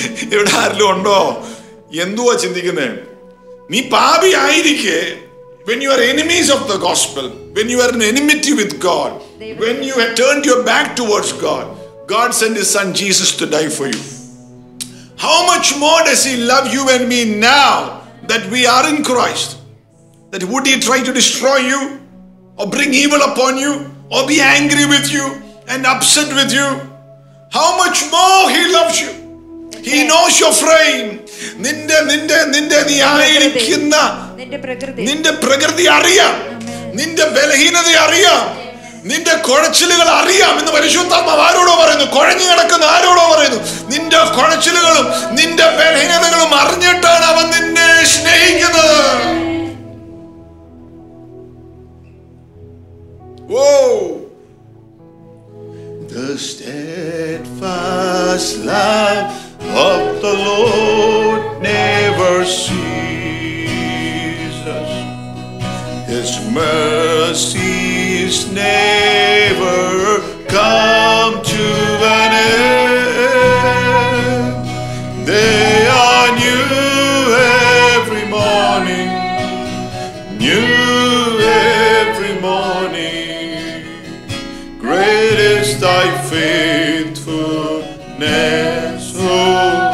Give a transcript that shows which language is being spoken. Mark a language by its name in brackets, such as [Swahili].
[Malayalam] ഇവിടെ ആരെങ്കിലും ഉണ്ടോ എന്തുവാ ചിന്തിക്കുന്നേ? നീ പാപി ആയിരിക്കെ, [English] when you are enemies of the gospel, when you are in enmity with God, when you have turned your back towards God, God sent his son Jesus to die for you. How much more does he love you and me now that we are in Christ? That would he try to destroy you or bring evil upon you or be angry with you and upset with you? How much more he loves you. He knows your frame. [Malayalam] നിന്റെ നീ ആയിരിക്കുന്ന നിന്റെ പ്രകൃതി അറിയാം, നിന്റെ ബലഹീനത അറിയാം, നിന്റെ കുഴച്ചിലുകൾ അറിയാം എന്ന് പരിശുദ്ധാത്മാവ് ആരോടോ പറയുന്നു, കുഴഞ്ഞു കിടക്കുന്ന ആരോടോ പറയുന്നു. നിന്റെ കുഴച്ചിലുകളും നിന്റെ ബലഹീനതകളും അറിഞ്ഞിട്ടാണ് അവൻ നിന്നെ സ്നേഹിക്കുന്നത്. [English] Oh the steadfast love of the Lord never ceases, his mercies never come to an end, they are new every morning, new every morning, great is thy faithfulness.